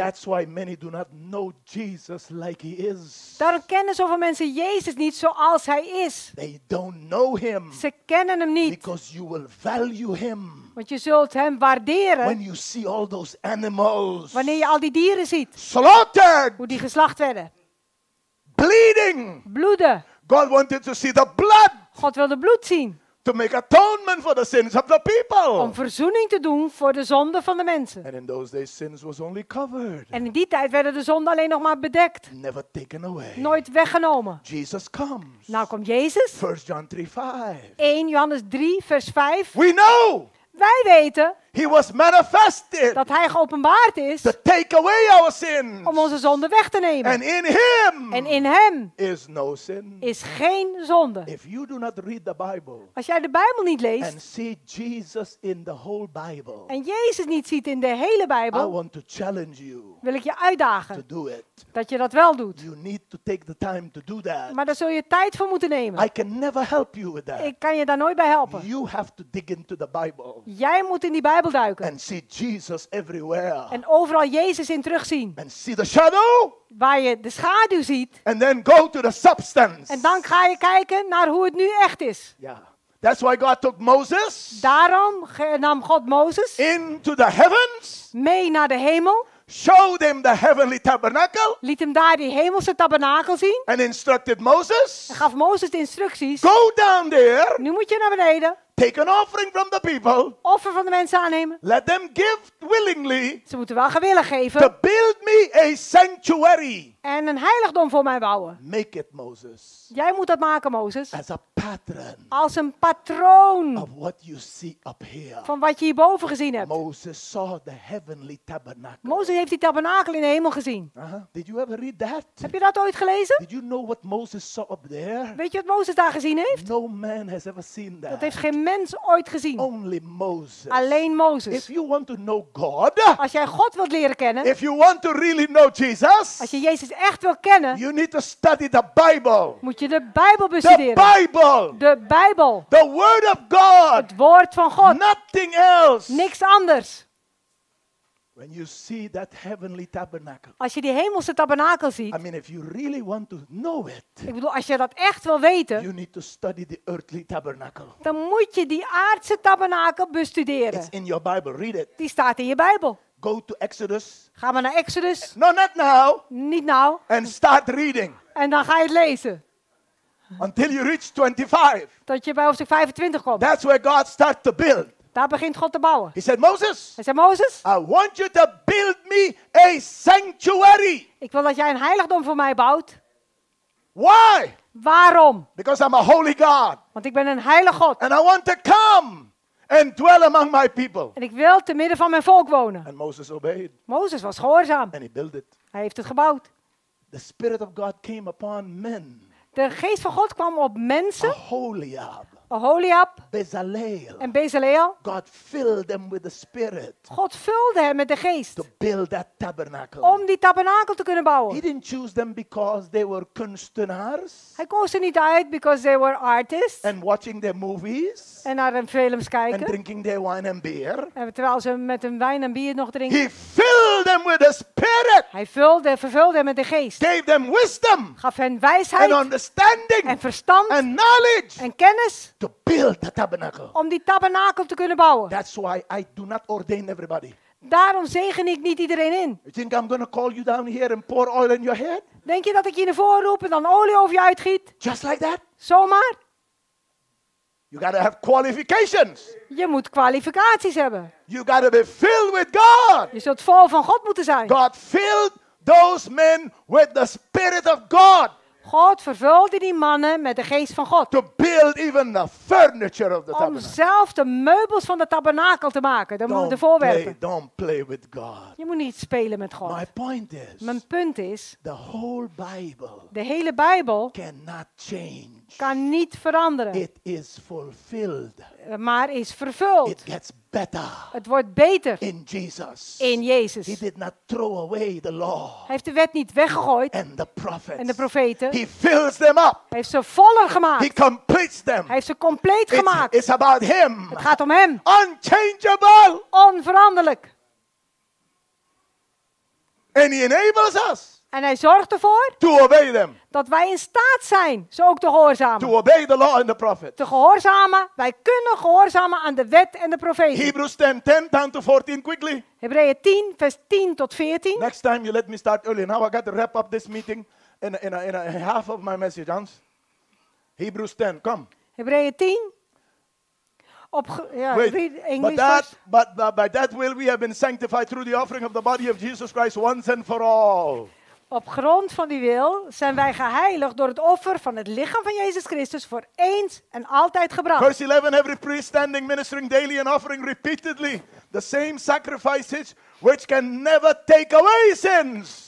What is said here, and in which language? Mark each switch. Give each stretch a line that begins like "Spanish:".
English: That's why many do not know Jesus like he is.
Dutch: Daarom kennen zoveel mensen Jezus niet zoals hij is.
English: They don't know him.
Dutch: Ze kennen hem niet.
English: Because you will value him.
Dutch: Want je zult hem waarderen.
English: When you see all those animals,
Dutch: wanneer je al die dieren ziet.
English: Slaughtered.
Dutch: Hoe die geslacht werden.
English: Bleeding.
Dutch: Bloeden.
English: God wanted to see the blood.
Dutch: God wilde bloed zien.
English: To make atonement for the sins of the people.
Dutch: Om verzoening te doen voor de zonden van de mensen.
English: And in those days, sins was only covered.
Dutch: En in die tijd werden de zonden alleen nog maar bedekt.
English: Never taken away.
Dutch: Nooit weggenomen.
English: Jesus comes.
Dutch: Nou komt Jezus.
English: 1 John 3, 5.
Dutch: 1 Johannes 3, vers 5.
English: We know.
Dutch: Wij weten.
English: He was manifested.
Dutch: Dat hij geopenbaard is.
English: To take away our sins.
Dutch: Om onze zonden weg te nemen.
English: And in him.
Dutch: En in hem.
English: Is no sin.
Dutch: Is geen zonde.
English: If you do not read the Bible.
Dutch: Als jij de Bijbel niet leest.
English: And see Jesus in the whole Bible.
Dutch: En Jezus niet ziet in de hele Bijbel.
English: I want to challenge you.
Dutch: Wil ik je uitdagen.
English: To do it.
Dutch: Dat je dat wel doet.
English: You need to take the time to do that.
Dutch: Maar daar zul je tijd voor moeten nemen.
English: I can never help you with that.
Dutch: Ik kan je daar nooit bij helpen.
English: You have to dig into the Bible.
Dutch: Jij moet in die Bijbel.
English: And see Jesus everywhere.
Dutch: En overal Jezus in terugzien.
English: And see the shadow.
Dutch: Waar je de schaduw ziet.
English: And then go to the substance.
Dutch: En dan ga je kijken naar hoe het nu echt is.
English: Yeah. That's why God took Moses.
Dutch: Daarom nam God Mozes.
English: Into the heavens.
Dutch: Mee naar de hemel.
English: Showed him the heavenly tabernacle.
Dutch: Liet hem daar die hemelse tabernakel zien.
English: And instructed Moses.
Dutch: En gaf Mozes de instructies.
English: Go down there.
Dutch: Nu moet je naar beneden.
English: Take an offering from the people.
Dutch: Offer van de mensen aannemen.
English: Let them give willingly.
Dutch: Ze moeten wel gewillig geven.
English: To build me a sanctuary.
Dutch: En een heiligdom voor mij bouwen.
English: Make it, Moses.
Dutch: Jij moet dat maken, Moses.
English: As a pattern.
Dutch: Als een patroon.
English: Of what you see up here.
Dutch: Van wat je hierboven gezien hebt.
English: Moses saw the heavenly tabernacle.
Dutch: Moses heeft die tabernakel in de hemel gezien.
English: Uh-huh. Did you ever read that?
Dutch: Heb je dat ooit gelezen?
English: Did you know what Moses saw up there?
Dutch: Weet je wat Moses daar gezien heeft?
English: No man has ever seen that.
Dutch: Dat heeft geen mens ooit gezien.
English: Only Moses.
Dutch: Alleen Moses.
English: If you want to know God.
Dutch: Als jij God wilt leren kennen.
English: If you want to really know Jesus.
Dutch: Als je Jezus echt wil kennen.
English: You need to study the Bible.
Dutch: Moet je de Bijbel bestuderen.
English: The Bible.
Dutch: De Bijbel.
English: The Word of God.
Dutch: Het woord van God.
English: Nothing else.
Dutch: Niks anders.
English: When you see that heavenly tabernacle.
Dutch: Als je die hemelse tabernakel ziet.
English: I mean, if you really want to know it.
Dutch: Ik bedoel, als je dat echt wil weten.
English: You need to study the earthly tabernacle.
Dutch: Dan moet je die aardse tabernakel bestuderen.
English: It's in your Bible. Read it.
Dutch: Die staat in je Bijbel.
English: Go to Exodus.
Dutch: Ga maar naar Exodus.
English: No, not now.
Dutch: Niet nou.
English: And start reading.
Dutch: En dan ga je het lezen.
English: Until you reach 25.
Dutch: Tot je bij hoofdstuk 25 komt.
English: That's where God starts to build.
Dutch: Daar begint God te bouwen.
English: He said, Moses.
Dutch: Hij zei, Moses.
English: I want you to build me a sanctuary.
Dutch: Ik wil dat jij een heiligdom voor mij bouwt.
English: Why?
Dutch: Waarom?
English: Because I'm a holy God.
Dutch: Want ik ben een heilige God.
English: And I want to come. And dwell among my people.
Dutch: En ik wil te midden van mijn volk wonen.
English: And Moses obeyed.
Dutch: Moses was gehoorzaam.
English: And he built it.
Dutch: Hij heeft het gebouwd.
English: The Spirit of God came upon men.
Dutch: De geest van God kwam op mensen.
English: Aholiab.
Dutch: Aholiab.
English: Bezaleel.
Dutch: En Bezaleel.
English: God filled them with the Spirit.
Dutch: God vulde hem met de geest.
English: To build that tabernacle.
Dutch: Om die tabernakel te kunnen bouwen.
English: He didn't choose them because they were kunstenaars.
Dutch: Hij koos ze niet uit
English: because they were artists. And watching their movies.
Dutch: En naar hun films kijken.
English: And drinking their wine and beer.
Dutch: En terwijl ze met hun wijn en bier nog drinken.
English: He filled them with the Spirit.
Dutch: Hij vervulde hem met de geest.
English: Gave them wisdom.
Dutch: Gaf hen wijsheid.
English: And understanding.
Dutch: En verstand.
English: And knowledge.
Dutch: En kennis.
English: To build the tabernacle.
Dutch: Om die tabernakel te kunnen bouwen.
English: That's why I do not ordain everybody.
Dutch: Daarom zegen ik niet iedereen in.
English: You think I'm gonna call you down here and pour oil in your head?
Dutch: Denk je dat ik je naar voren roep en dan olie over je uitgiet?
English: Just like that?
Dutch: Zomaar?
English: You gotta have qualifications.
Dutch: Je moet kwalificaties hebben.
English: You gotta be filled with God.
Dutch: Je zult vol van God moeten zijn.
English: God filled those men with the Spirit of God.
Dutch: God vervulde die mannen met de geest van God.
English: To build even the furniture of the tabernacle.
Dutch: Om zelf de meubels van de tabernakel te maken. De voorwerpen.
English: Don't play with God.
Dutch: Je moet niet spelen met God.
English: My point is,
Dutch: mijn punt is.
English: The whole Bible,
Dutch: de hele Bijbel.
English: Cannot change.
Dutch: Kan niet veranderen.
English: It is fulfilled.
Dutch: Maar is vervuld.
English: It gets better.
Dutch: Het wordt beter.
English: In Jesus.
Dutch: In Jezus.
English: He did not throw away the law.
Dutch: Hij heeft de wet niet weggegooid.
English: And the prophets.
Dutch: En de profeten.
English: He fills them up.
Dutch: Hij heeft ze voller gemaakt.
English: He completes them.
Dutch: Hij heeft ze compleet gemaakt.
English: It's about him.
Dutch: Het gaat om hem.
English: Unchangeable.
Dutch: Onveranderlijk.
English: And he enables us.
Dutch: En hij zorgt ervoor
English: to obey them.
Dutch: Dat wij in staat zijn ze ook te gehoorzamen.
English: To obey the law and the prophet.
Dutch: Te gehoorzamen. Wij kunnen gehoorzamen aan de wet en de profeten.
English: Hebreeën 10, 10 down to 14, quickly.
Dutch: Hebreeën 10, vers 10 tot 14.
English: Next time you let me start early. Now I got to wrap up this meeting in a half of my message, Hans. Hebreeën 10, come.
Dutch: Hebreeën 10. Op grond van die wil zijn wij geheiligd door het offer van het lichaam van Jezus Christus voor eens en altijd gebracht.
English: Verse 11, every priest standing ministering daily and offering repeatedly the same sacrifices which can never take away sins.